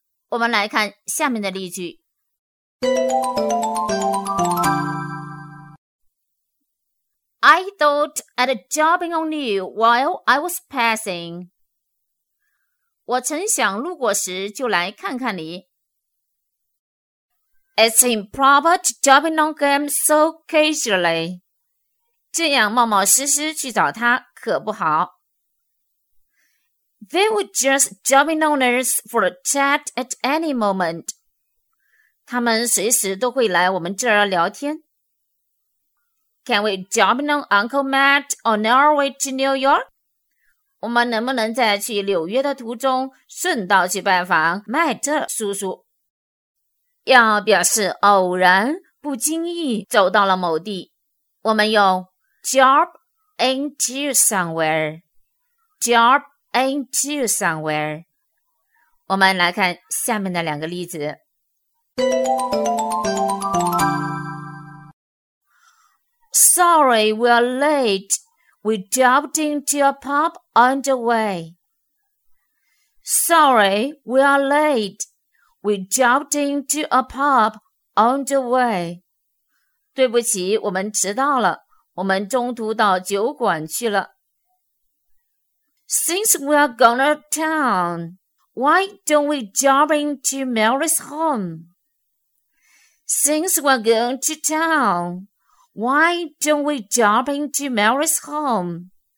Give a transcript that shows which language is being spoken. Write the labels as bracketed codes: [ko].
[zh] 我们来看下面的例句。 [en] I thought I'd drop in on you while I was passing. [zh] 我曾想路过时就来看看你。 [en] It's improper to drop in on him so casually. [zh] 这样冒冒失失去找他可不好。 [en] They would just drop in on us for a chat at any moment. [zh] 他们随时都会来我们这儿聊天。 [en] Can we drop in on Uncle Matt on our way to New York? [zh] 我们能不能在去纽约的途中顺道去拜访麦特叔叔？要表示偶然不经意走到了某地，我们用 [en] drop into somewhere, drop into somewhere。 [zh] 我们来看下面的两个例子。 [en] Sorry we are late, we dropped into your pubOn the way. Sorry, we are late. We dropped into a pub on the way. [zh] 对不起，我们迟到了，我们中途到酒馆去了。 [en] Since we are going to town, why don't we drop into Mary's home? Since we are going to town, why don't we drop into Mary's home?